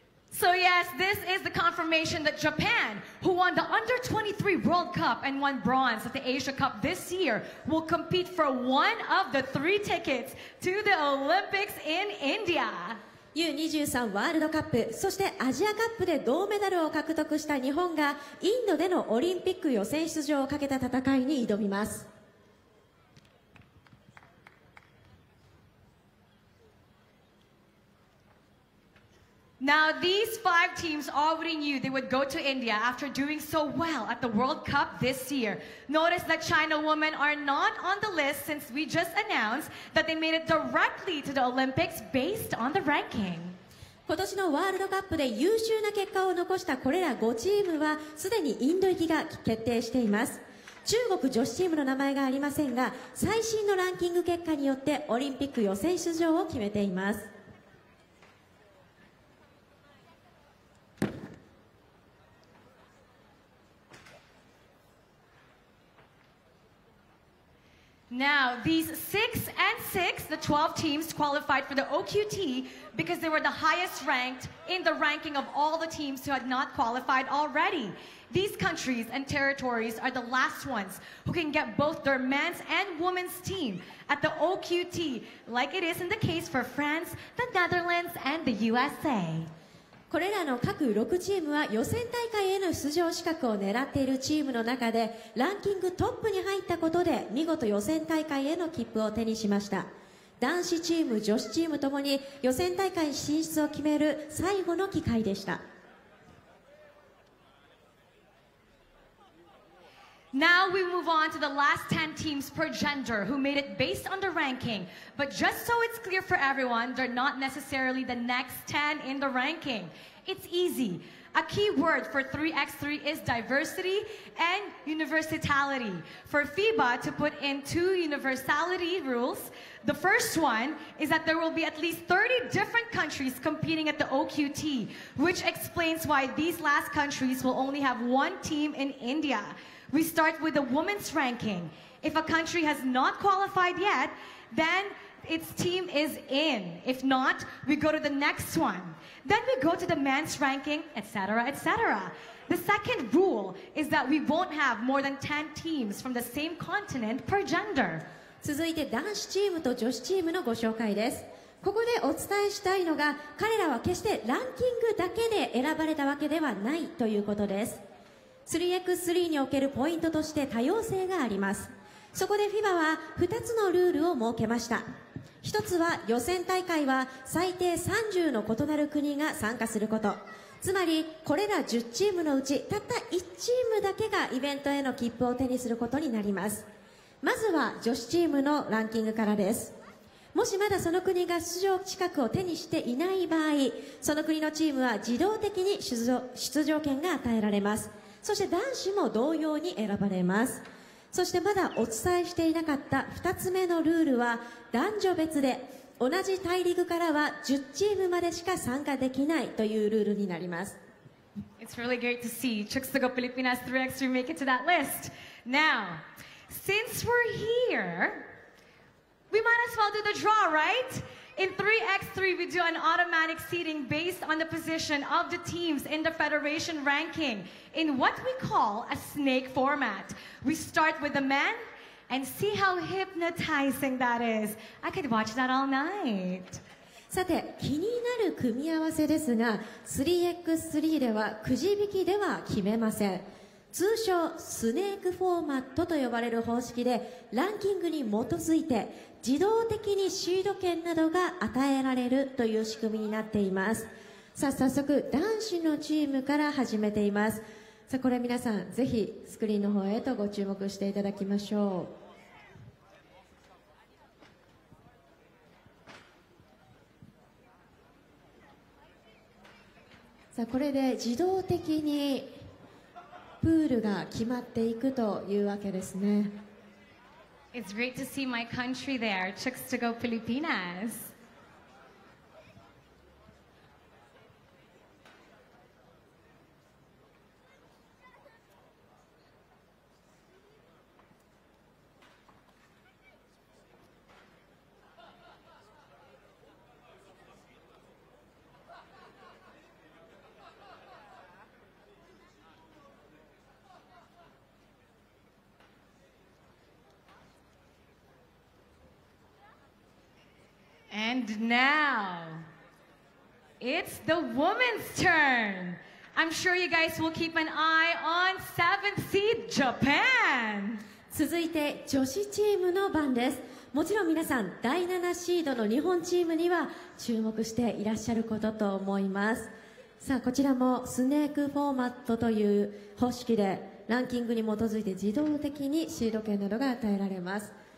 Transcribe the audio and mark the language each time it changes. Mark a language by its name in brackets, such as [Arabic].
[English] So yes, this is the confirmation that Japan, who won the Under 23 World Cup and won bronze at the Asia Cup this year, will compete for one of the three tickets to the Olympics in India. [Japanese] U23 ワールドカップ、そしてアジアカップで銅メダルを獲得した日本がインドでのオリンピック予選出場をかけた戦いに挑みます。 [English] Now, these five teams already knew they would go to India after doing so well at the World Cup this year. Notice that China women are not on the list since we just announced that they made it directly to the Olympics based on the ranking. [Japanese] 今年のワールドカップで優秀な結果を残したこれら5チームはすでにインド行きが決定しています。中国女子チームの名前がありませんが、最新のランキング結果によってオリンピック予選出場を決めています。 [English] Now, these 6 and 6, the 12 teams qualified for the OQT because they were the highest ranked in the ranking of all the teams who had not qualified already. These countries and territories are the last ones who can get both their men's and women's team at the OQT, like it is in the case for France, the Netherlands, and the USA. [Japanese] これらの各6チームは予選大会への出場資格を狙っているチームの中でランキングトップに入ったことで見事予選大会への切符を手にしました。男子チーム女子チームともに予選大会進出を決める最後の機会でした。 [English] Now we move on to the last 10 teams per gender who made it based on the ranking, but just so it's clear for everyone, they're not necessarily the next 10 in the ranking. It's easy. A key word for 3x3 is diversity and universality. For FIBA to put in two universality rules, the first one is that there will be at least 30 different countries competing at the OQT, which explains why these last countries will only have one team in India. We start with the women's ranking. If a country has not qualified yet, then its team is in. If not, we go to the next one. Then we go to the men's ranking, etc., etc. The second rule is that we won't have more than 10 teams from the same continent per gender. [Japanese] 続いて男子チームと女子チームのご紹介です。ここでお伝えしたいのが、彼らは決してランキングだけで選ばれたわけではないということです。 3x3 におけるポイントとして多様性があります。そこで FIBA は2つのルールを設けました。一つは予選大会は最低30の異なる国が参加すること。つまりこれら10チームのうちたった1チームだけがイベントへの切符を手にすることになります。まずは女子チームのランキングからです。もしまだその国が出場資格を手にしていない場合、その国のチームは自動的に出場権が与えられます。そして男子も同様に選ばれます。そしてまだお伝えしていなかった2つ目のルールは、男女別で同じ大陸からは10チームまでしか参加できないというルールになります。 [English] It's really great to see Chuksugo Pilipinas 3x3 make it to that list. Now, since we're here, we might as well do the draw, right? In 3x3, we do an automatic seeding based on the position of the teams in the federation ranking in what we call a snake format. We start with the men and see how hypnotizing that is. I could watch that all night. [Japanese] さて、気になる組み合わせですが、 3x3 ではくじ引きでは決めません。通称スネークフォーマットと呼ばれる方式で、ランキングに基づいて自動的にシード権などが与えられるという仕組みになっています。さあ、早速男子のチームから始めています。さあ、これ皆さんぜひスクリーンの方へとご注目していただきましょう。さあ、これで自動的にプールが決まっていくというわけですね。 [English] It's great to see my country there, Chuksugo Pilipinas. And now, it's the woman's turn. I'm sure you guys will keep an eye on 7th seed Japan. [Japanese] 続いて女子チームの番です。もちろん皆さん第7シードの日本チームには注目していらっしゃることと思います。さあ、こちらもスネークフォーマットという方式でランキングに基づいて自動的にシード権などが与えられます。